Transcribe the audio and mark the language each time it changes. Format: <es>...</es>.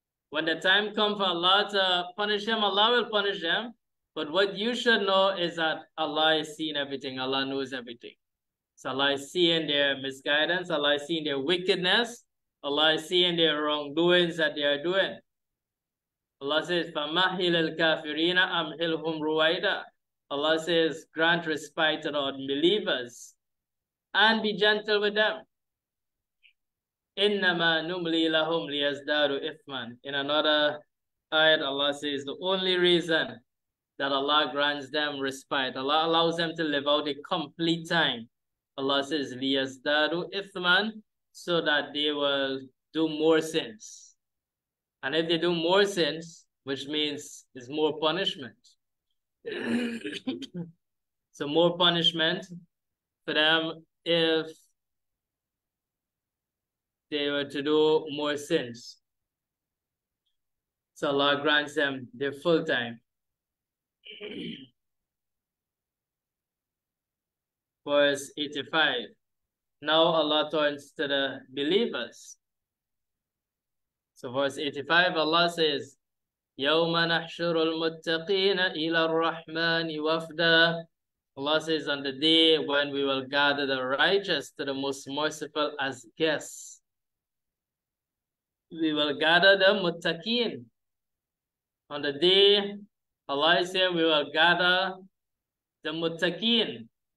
<en>When the time comes for Allah to punish him, Allah will punish them. But what you should know is that Allah is seeing everything. Allah knows everything. So Allah is seeing their misguidance. Allah is seeing their wickedness. Allah is seeing their wrongdoings that they are doing. Allah says,</en> <ar>فَمَهِّلِ الْكَافِرِينَ أَمْهِلْهُمْ رُوَيْدًا.</ar> <en>Allah says, grant respite to the unbelievers and be gentle with them.</en> <ar>إِنَّمَا نُمْلِي لَهُمْ لِيَزْدَادُوا إِثْمًا.</ar> <en>In another ayat, Allah says, the only reason that Allah grants them respite, Allah allows them to live out a complete time, Allah says,</en> <ar>لِيَزْدَادُوا إِثْمًا,</ar> <en>so that they will do more sins. And if they do more sins, which means there's more punishment. So more punishment for them if they were to do more sins. So Allah grants them their full time. Verse 85. Now Allah turns to the believers. So verse 85, Allah says,</en> <ar>يَوْمَ نَحْشُرُ الْمُتَّقِينَ إِلَى الرَّحْمَنِ وَفْدًا.</ar> <en>Allah says, on the day when we will gather the righteous to the most merciful as guests, we will gather the muttaqin. On the day Allah is saying, we will gather the muttaqin.</en>